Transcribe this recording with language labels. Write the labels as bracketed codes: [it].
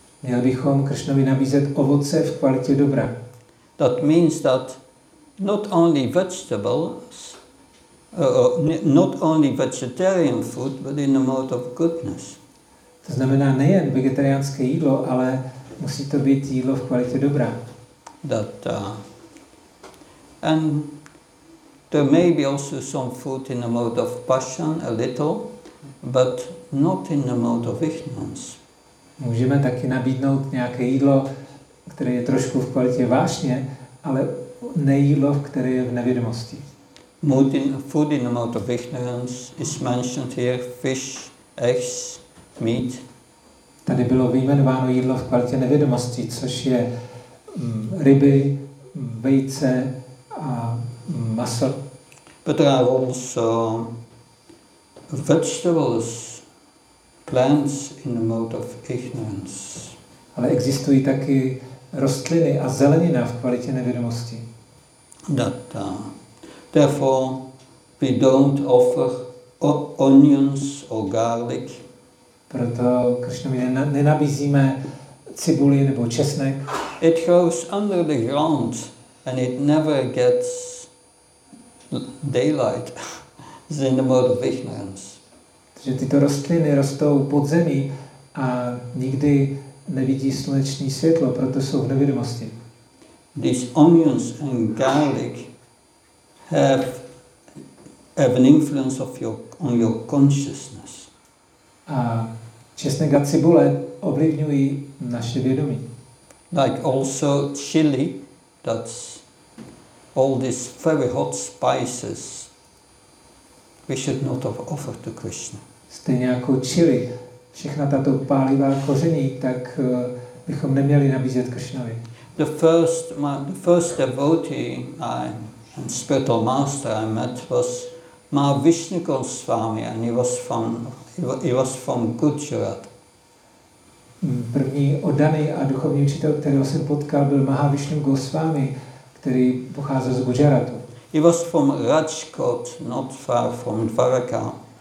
[cs] Měli bychom Krishnovi nabízet ovoce v kvalitě dobra. [en] That means that not only vegetables, not only vegetarian food, but in a mode of goodness. [cs] To znamená nejen vegetariánské jídlo, ale musí to být jídlo v kvalitě dobra. [en] That and there may be also some food in a mode of passion, a little, but not in a mode of ignorance. [cs] Můžeme taky nabídnout nějaké jídlo, které je trošku v kvalitě vášně, ale nejídlo, které je v nevědomosti. [en] Food in a mode of ignorance is mentioned here, fish, eggs, meat. [cs] Tady bylo vyjmenováno jídlo v kvalitě nevědomosti, což je ryby, vejce a maso. [en] But there are also vegetables, plants in the mode of ignorance. [cs] Ale existují taky rostliny a zelenina v kvalitě nevědomosti. [en] That, therefore, we don't offer onions or garlic. [cs] Proto Krishnovi nenabízíme cibuli nebo česnek. [en] It grows under the ground and it never gets daylight is in the mode of ignorance. [cs] Že tyto rostliny rostou pod zemí a nikdy nevidí sluneční světlo, proto jsou v nevědomosti. [en] These onions and garlic have an influence on your consciousness. [cs] A česnek a cibule ovlivňují naše vědomí. [en] Like also chili, that's all these very hot spices we should not offer to Krishna. [cs] Stejně jako chili, všechna tato pálivá koření, tak bychom neměli nabízet Krishnovi. [en] The first devotee and spiritual master I met was Mahavishnu Goswami, and he was from Gujarat. [cs] První oddaný a duchovní učitel, kterého jsem potkal, byl Mahavishnu Goswami, který pocházel z Gujaratu. [en] He was from Rajkot, not far from Dvaraka.